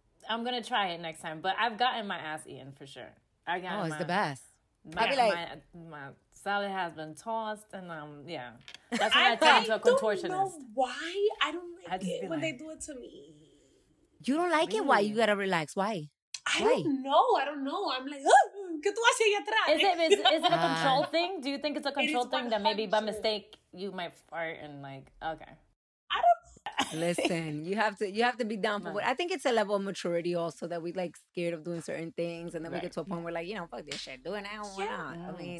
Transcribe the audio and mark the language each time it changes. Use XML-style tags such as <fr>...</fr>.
<en>I'm gonna try it next time. But I've gotten my ass eaten for sure. It's the best. My salad has been tossed, and that's what I tell to a contortionist. Don't know why I don't like it when they do it to me. You don't like it? Why? You gotta relax. Why? I don't know. I'm like,</en> <es>¿qué tú haces ahí atrás?</es> <en>Is it a control thing? Do you think it's a control thing that maybe by mistake you might fart and like, okay. Listen, you have to be down for what. I think it's a level of maturity also that we like scared of doing certain things, and then we get to a point where like, you know, fuck this shit, doing it. I don't want. Yeah. I mean,</en>